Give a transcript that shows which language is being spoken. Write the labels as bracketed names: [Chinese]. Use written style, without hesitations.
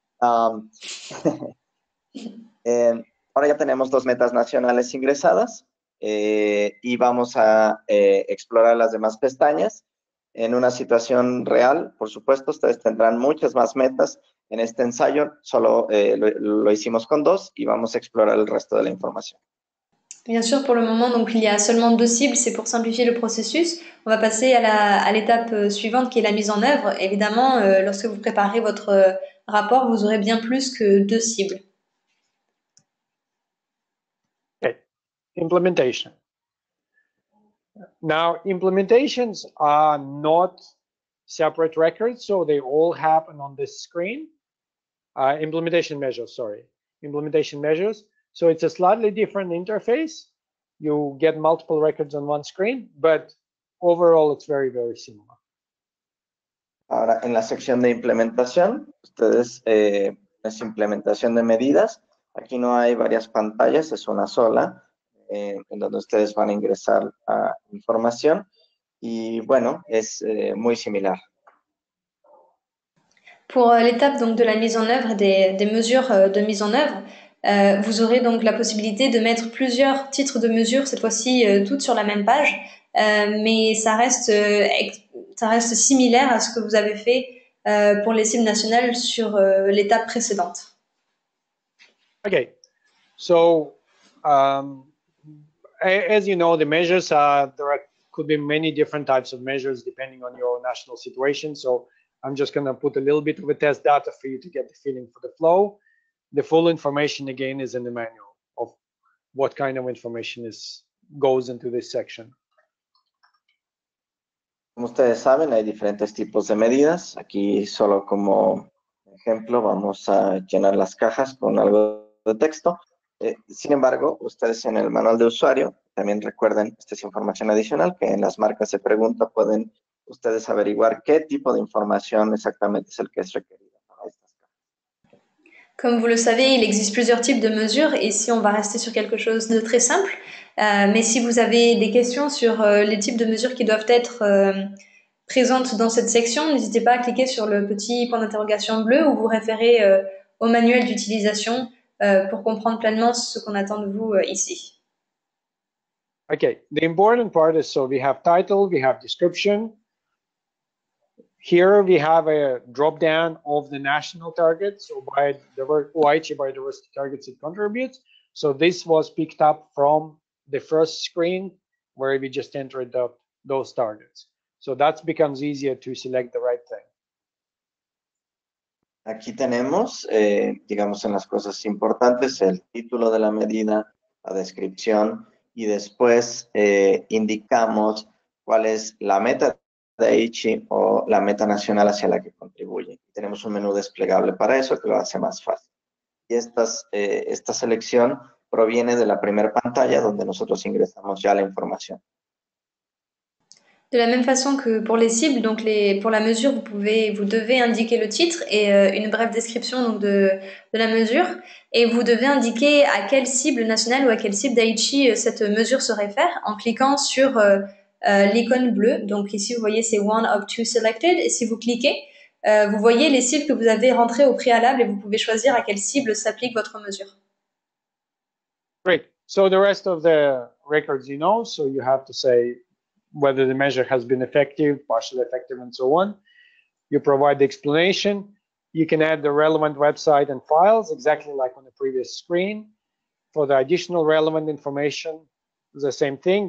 [Spanish] Ahora ya tenemos dos metas nacionales ingresadas y vamos a explorar las demás pestañas. En una situación real, por supuesto, ustedes tendrán muchas más metas. En este ensayo solo lo hicimos con dos y vamos a explorar el resto de la información. [French] Bien sûr, pour le moment, donc il y a seulement deux cibles, c'est pour simplifier le processus. On va passer à l'étape suivante qui est la mise en œuvre. Évidemment, lorsque vous préparez votre rapport, vous aurez bien plus que deux cibles. [English] Implementation. Now, implementations are not separate records, so they all happen on this screen. Implementation measures. So it's a slightly different interface. You get multiple records on one screen, but overall it's very, very similar. [Spanish] Ahora, en la sección de implementación, ustedes, es implementación de medidas. Aquí no hay varias pantallas, es una sola, en donde ustedes van a ingresar a información. Y bueno, es muy similar. [French] Pour l'étape donc de la mise en œuvre des mesures de mise en œuvre, vous aurez donc la possibilité de mettre plusieurs titres de mesures, cette fois-ci toutes sur la même page, mais ça reste similaire à ce que vous avez fait pour les cibles nationales sur l'étape précédente. [English] Okay, so as you know, the measures are there are, could be many different types of measures depending on your national situation. So I'm just going to put a little bit of a test data for you to get the feeling for the flow. The full information again is in the manual of what kind of information is goes into this section. [Spanish] Como ustedes saben, hay diferentes tipos de medidas. Aquí solo como ejemplo vamos a llenar las cajas con algo de texto. Sin embargo, ustedes en el manual de usuario también recuerden, esta es información adicional que en las marcas de pregunta pueden ustedes averiguar qué tipo de información exactamente es el que es requerido para estas cajas. [French] Comme vous le savez, il existe plusieurs types de mesures et si on va rester sur quelque chose de très simple, mais si vous avez des questions sur les types de mesures qui doivent être présentes dans cette section, n'hésitez pas à cliquer sur le petit point d'interrogation bleu ou vous référer au manuel d'utilisation pour comprendre pleinement ce qu'on attend de vous ici. [English] Okay, the important part is so we have title, we have description. Here we have a drop down of the national targets or by the OIHE biodiversity targets it contributes. So this was picked up from the first screen where we just entered those targets. So that becomes easier to select the right thing. [Spanish] Aquí tenemos, digamos, en las cosas importantes, el título de la medida, la descripción, y después indicamos cuál es la meta de Aichi o la meta nacional hacia la que contribuye. Tenemos un menú desplegable para eso que lo hace más fácil. Y esta selección proviene de la primera pantalla donde nosotros ingresamos ya la información. [French] De la même façon que pour les cibles, donc pour la mesure, vous devez indiquer le titre et une brève description donc de la mesure. Et vous devez indiquer à quelle cible nationale ou à quelle cible d'Aichi cette mesure se réfère en cliquant sur l'icône bleue. Donc ici, vous voyez, c'est [English] one of two selected. [French] Et si vous cliquez, vous voyez les cibles que vous avez rentrées au préalable et vous pouvez choisir à quelle cible s'applique votre mesure. [English] Great. So the rest of the records, you know, so you have to say whether the measure has been effective, partially effective, and so on. You provide the explanation. You can add the relevant website and files, exactly like on the previous screen. For the additional relevant information, the same thing.